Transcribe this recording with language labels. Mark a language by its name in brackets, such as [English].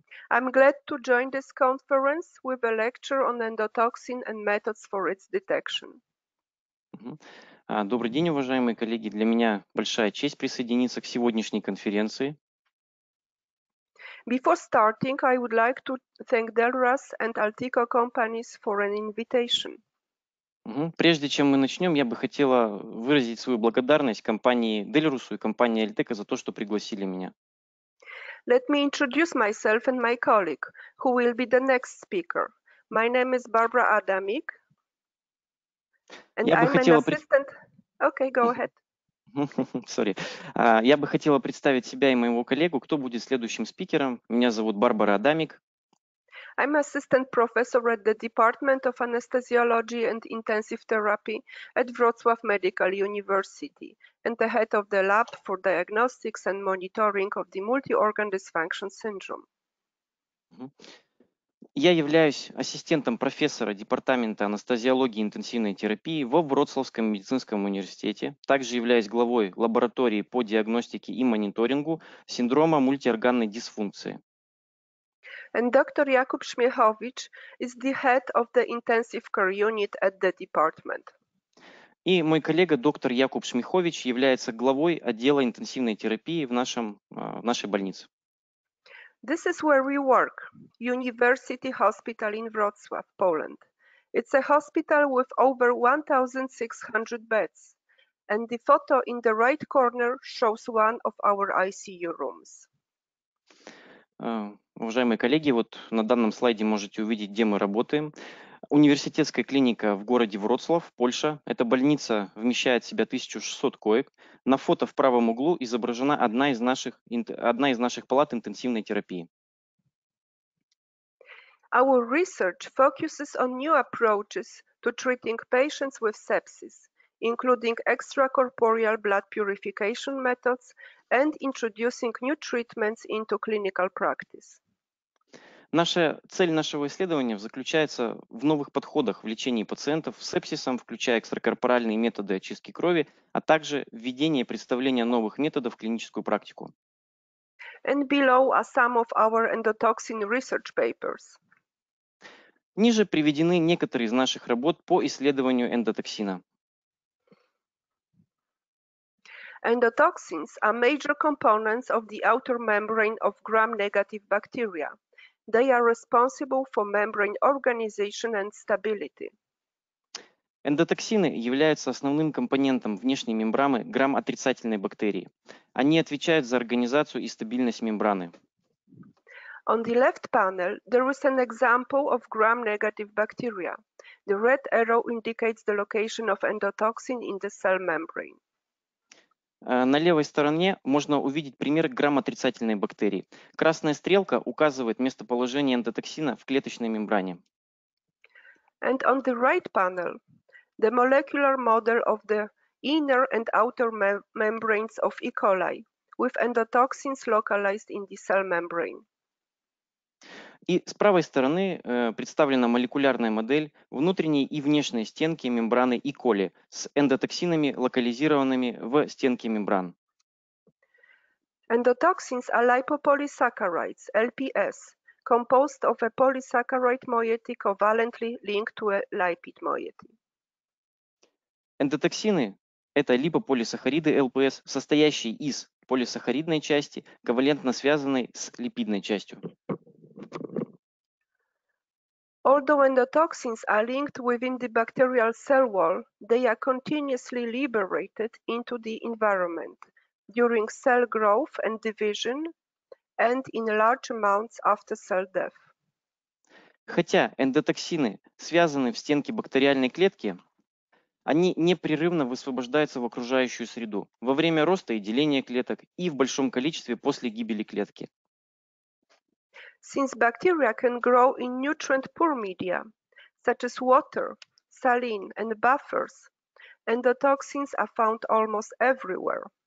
[English] I'm glad to join this conference with a lecture on endotoxin and methods for its detection. Mm-hmm. [Russian] Добрый день, уважаемые коллеги. Для меня большая честь присоединиться к сегодняшней конференции. [English] Before starting, I would like to thank Delras and Altico companies for an invitation. Mm-hmm. [Russian] Прежде чем мы начнем, я бы хотела выразить свою благодарность компании Delrus и компании Altico за то, что пригласили меня. [English] Let me introduce myself and my colleague, who will be the next speaker. My name is Barbara Adamik. And I'm an assistant. Okay, go ahead. Sorry. [Russian] Я бы хотела представить себя и моего коллегу. Кто будет следующим спикером? Меня зовут Барбара Адамик. [English] I'm assistant professor at the Department of Anesthesiology and Intensive Therapy at Wrocław Medical University and the head of the lab for diagnostics and monitoring of the multi-organ dysfunction syndrome. [Russian] Я являюсь ассистентом профессора Департамента анестезиологии и интенсивной терапии во Вроцлавском медицинском университете. Также являюсь главой лаборатории по диагностике и мониторингу синдрома мультиорганной дисфункции. [English] And Dr. Jakub Szmiechowicz is the head of the intensive care unit at the department. [Russian] И мой коллега доктор Якуб Шмихович является главой отдела интенсивной терапии в нашей больнице. [English] This is where we work, University Hospital in Wrocław, Poland. It's a hospital with over 1,600 beds. And the photo in the right corner shows one of our ICU rooms. [Russian] Уважаемые коллеги, вот на данном слайде можете увидеть, где мы работаем. Университетская клиника в городе Вроцлав, Польша. Эта больница вмещает в себя 1600 коек. На фото в правом углу изображена одна из наших палат интенсивной терапии. [English] Our research focuses on new approaches to treating patients with sepsis, including extracorporeal blood purification methods and introducing new treatments into clinical practice. [Russian] Наша цель нашего исследования заключается в новых подходах в лечении пациентов с сепсисом, включая экстракорпоральные методы очистки крови, а также введение представления новых методов в клиническую практику. [English] And below are some of our endotoxin research papers. [Russian] Ниже приведены некоторые из наших работ по исследованию эндотоксина. [English] Endotoxins are major components of the outer membrane of gram-negative bacteria. They are responsible for membrane organization and stability. [Russian] Эндотоксины являются основным компонентом внешней мембраны грам-отрицательной бактерии. Они отвечают за организацию и стабильность мембраны. [English] On the left panel, there is an example of gram-negative bacteria. The red arrow indicates the location of endotoxin in the cell membrane. [Russian] На левой стороне можно увидеть пример грамотрицательной бактерии. Красная стрелка указывает местоположение эндотоксина в клеточной мембране. [English] And on the right panel, the molecular model of the inner and outer membranes of E. coli, with endotoxins localized in the cell membrane. [Russian] И с правой стороны представлена молекулярная модель внутренней и внешней стенки мембраны E. coli с эндотоксинами, локализированными в стенке мембран. [English] Endotoxins are lipopolysaccharides, LPS, composed of a polysaccharide moiety covalently linked to a lipid moiety. [Russian] Эндотоксины – это липополисахариды ЛПС, состоящие из полисахаридной части, ковалентно связанной с липидной частью. [English] Although endotoxins are linked within the bacterial cell wall, they are continuously liberated into the environment during cell growth and division and in large amounts after cell death. [Russian] Хотя эндотоксины связаны в стенке бактериальной клетки, они непрерывно высвобождаются в окружающую среду во время роста и деления клеток и в большом количестве после гибели клетки. [English] Since bacteria can grow in nutrient-poor media, such as water, saline, and buffers, endotoxins are found almost everywhere.